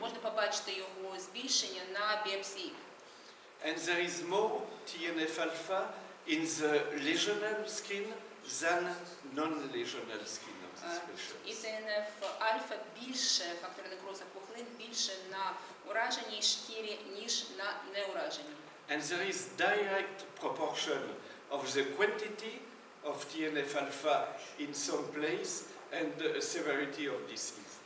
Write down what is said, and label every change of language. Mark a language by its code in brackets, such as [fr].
[uk] Можна побачити його збільшення на біопсії. [en] And there is more TNF-alpha in the lesional skin than non-lesional skin of this patient. [uk] І TNF-alpha більше, фактор некроза пухлин, більше на ураженій шкірі, ніж на неураженій. [en] And there is direct proportion of the quantity of TNF-alpha in some place and the severity of disease.